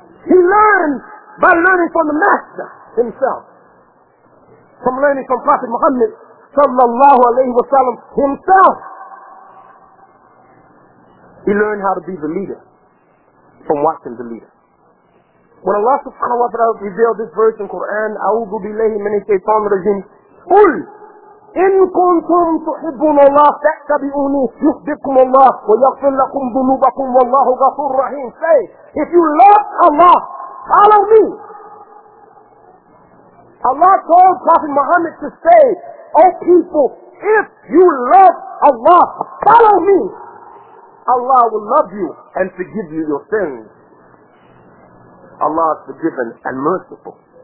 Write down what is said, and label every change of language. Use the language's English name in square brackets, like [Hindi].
[English] He learned by learning from the master himself. From learning from Prophet Muhammad sallallahu alayhi wa sallam himself. He learned how to be the leader from watching the leader. When Allah subhanahu wa ta'ala revealed this verse in Quran, [Arabic] أعوذ بالله من الشيطان الرجيم قل إن كنتم تحبون الله فاتبعوني يحببكم الله ويغفر لكم ذنوبكم والله غفور رحيم. [English] Say, if you love Allah, follow me. Allah told Prophet Muhammad to say, O people, if you love Allah, follow me. Allah will love you and forgive you your sins. Allah is forgiven and merciful.